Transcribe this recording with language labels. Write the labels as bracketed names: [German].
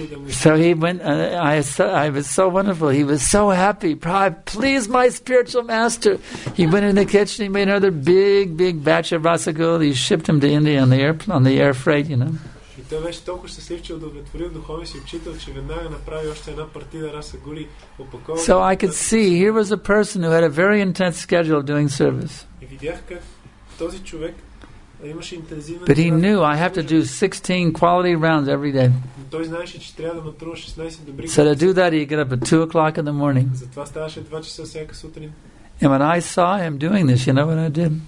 [English] So he went, I was so wonderful. He was so happy. Prabhupada, please, my spiritual master. He went in the kitchen, he made another big, big batch of rasa gula. He shipped him to India on the air freight, you know. [Bulgarian] Той беше толкова щастлив, че удовлетворил духовен си учител, че веднага направи още една партия раса гули, опаковал. [English] So I could see here was a person who had a very intense schedule of doing service. [Bulgarian] И видях как този човек имаше интензивен. [English] But he knew I have to do 16 quality rounds every day. [Bulgarian] Той знаеше, че трябва да натрува 16 добри. [English] So to do that, he got up at 2 o'clock in the morning. [Bulgarian] Затова ставаше 2 часа всяка сутрин. [English] And when I saw him doing this, you know what I did?